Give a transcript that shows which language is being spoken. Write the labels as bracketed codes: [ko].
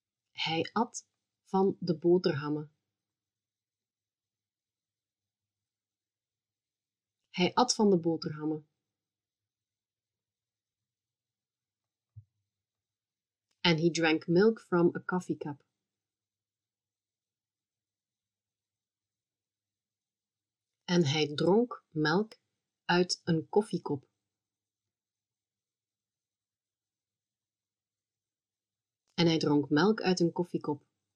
[nl] Hij at van de boterhammen. Hij at van de boterhammen. [en] And he drank milk from a coffee cup. [nl] En hij dronk melk uit een koffiekop. En hij dronk melk uit een koffiekop.